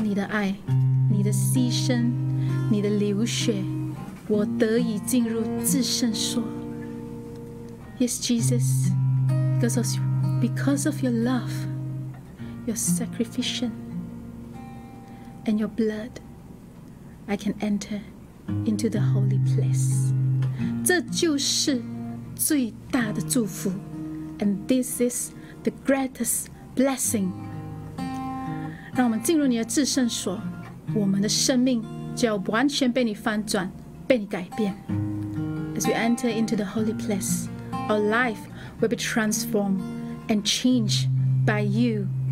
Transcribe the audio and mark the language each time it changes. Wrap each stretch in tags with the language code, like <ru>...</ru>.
<zh>爱你的牺牲，你的流血，我得以进入至圣所。</zh> <en>Yes Jesus, because of your love, your sacrificial and your blood, I can enter into the holy place.</en> <zh>这就是最大的祝福，</zh> <en>and this is the greatest blessing.</en> <zh>让我们进入你的至圣所，我们的生命就要完全被你翻转，被你改变。</zh> <en>As we enter into the holy place, our life will be transformed and changed by you.</en>